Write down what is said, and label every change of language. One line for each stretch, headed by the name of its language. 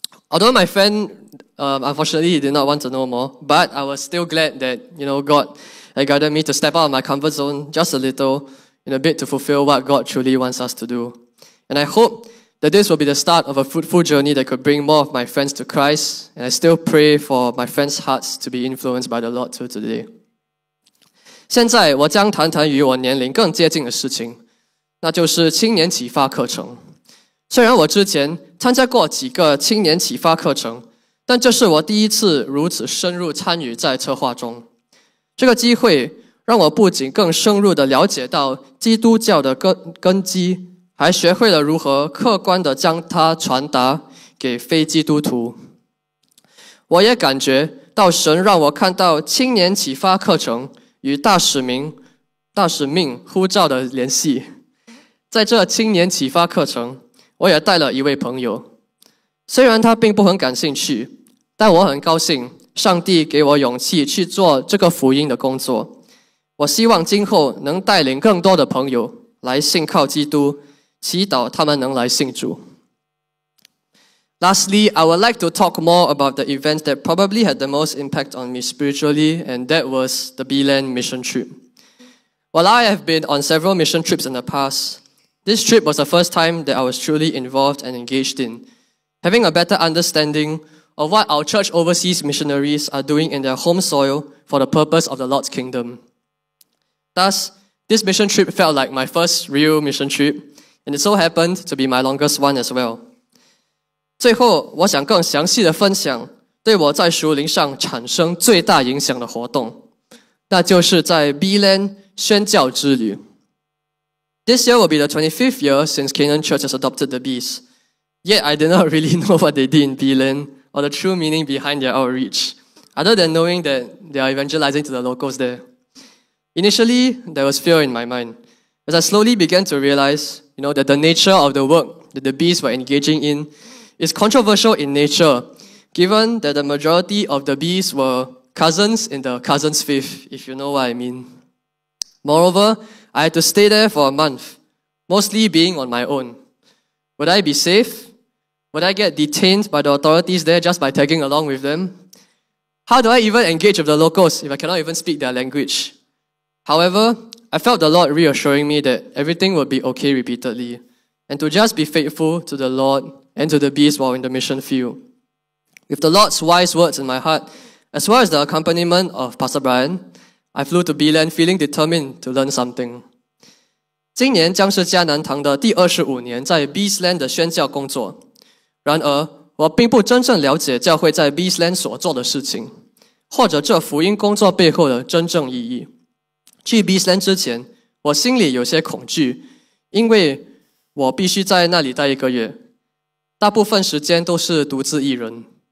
English: Although my friend, unfortunately, he did not want to know more, but I was still glad that, you know, God had guided me to step out of my comfort zone just a little in a bit to fulfill what God truly wants us to do. And I hope that this will be the start of a fruitful journey that could bring more of my friends to Christ, and I still pray for my friends' hearts to be influenced by the Lord too today.
Chinese: 现在我将谈谈与我年龄更接近的事情，那就是青年启发课程。虽然我之前参加过几个青年启发课程，但这是我第一次如此深入参与在策划中。这个机会让我不仅更深入地了解到基督教的根基，还学会了如何客观地将它传达给非基督徒。我也感觉到神让我看到青年启发课程与大使命呼召的联系。在这青年启发课程，我也带了一位朋友，虽然他并不很感兴趣，但我很高兴上帝给我勇气去做这个福音的工作。我希望今后能带领更多的朋友来信靠基督，祈祷他们能来信主。
English: Lastly, I would like to talk more about the event that probably had the most impact on me spiritually, and that was the BLAN mission trip. While I have been on several mission trips in the past, this trip was the first time that I was truly involved and engaged in, having a better understanding of what our church overseas missionaries are doing in their home soil for the purpose of the Lord's kingdom. Thus, this mission trip felt like my first real mission trip,And it so happened to be my longest one as well.
Chinese: 最后，我想更详细地分享对我在属灵上产生最大影响的活动，那就是在 BLAN 宣教之旅。
English: This year will be the 25th year since Canaan Church has adopted the Bs. Yet I did not really know what they did in BLAN or the true meaning behind their outreach, other than knowing that they are evangelizing to the locals there. Initially, there was fear in my mind, as I slowly began to realize,You know, that the nature of the work that the Bs were engaging in is controversial in nature, given that the majority of the Bs were cousins in the cousins' faith, if you know what I mean. Moreover, I had to stay there for a month, mostly being on my own. Would I be safe? Would I get detained by the authorities there just by tagging along with them? How do I even engage with the locals if I cannot even speak their language? However, I felt the Lord reassuring me that everything would be okay repeatedly, and to just be faithful to the Lord and to the beast while in the mission field. With the Lord's wise words in my heart, as well as the accompaniment of Pastor Brian, I flew to B-Land feeling determined to learn something.
Chinese: 今年将是迦南堂的第25年在 B-Land 的宣教工作。然而，我并不真正了解教会在 B-Land 所做的事情，或者这福音工作背后的真正意义。去 B-Land 之前，我心里有些恐惧，因为我必须在那里待一个月，大部分时间都是独自一人。